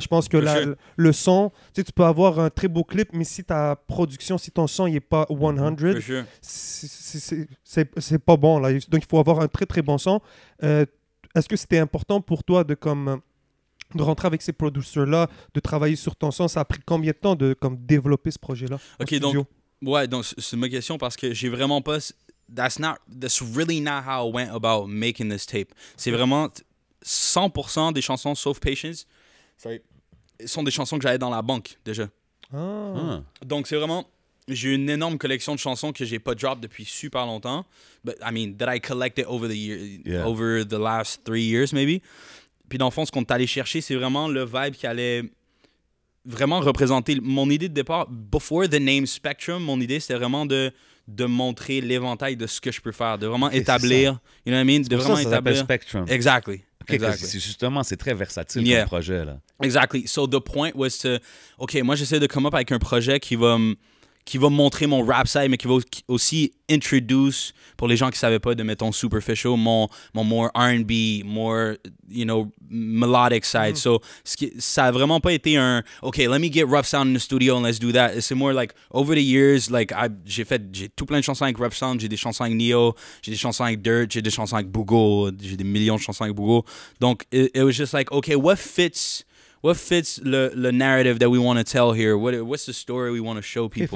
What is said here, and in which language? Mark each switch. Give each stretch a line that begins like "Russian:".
French: Je pense que le son, tu sais, tu peux avoir un très beau clip, mais si ta production, si ton son n'est pas 100, c'est pas bon. Là. Donc, il faut avoir un très, très bon son. Est-ce que c'était important pour toi de rentrer avec ces producers-là, de travailler sur ton son? Ça a pris combien de temps de comme, développer ce projet-là? OK, donc c'est ma question parce que j'ai vraiment pas...
English: That's really not how I went about making this tape.
French: C'est vraiment 100% des chansons, sauf Patience, sont des chansons que j'avais dans la banque déjà. Ah. Donc c'est vraiment... j'ai une énorme collection de chansons que j'ai pas drop depuis super longtemps.
English: But I mean, that I collected over the year, yeah. over the last three years, maybe.
French: Puis dans le fond, ce qu'on est allé chercher, c'est vraiment le vibe qui allait vraiment représenter mon idée de départ.
English: Before the name Spectrum,
French: mon idée, c'était vraiment de montrer l'éventail de ce que je peux faire, de vraiment établir,
English: you know what I mean?
French: C'est de vraiment ça, ça s'appelle Spectrum.
English: Exactly. Okay, exactly.
French: C'est justement, c'est très versatile yeah. comme projet, là.
English: Exactly. So the point was to,
French: OK, moi, j'essaie de come up avec un projet qui va montrer mon rap side, mais qui va aussi introduce, pour les gens qui ne savaient pas, de mettre en superficial, mon more R&B, more, you know, melodic side.
English: Mm. So,
French: ça n'a vraiment pas été un,
English: OK, let me get Rough Sound in the studio and let's do that.
French: C'est
English: more like, over the years, like,
French: j'ai tout plein de chansons avec Rough Sound, j'ai des chansons avec Neo, j'ai des chansons avec Dirt, j'ai des chansons avec Bougo, j'ai des millions de chansons avec Bougo. Donc,
English: it was just like, OK, What fits le narrative that we want to tell here? What's the story we want to show people?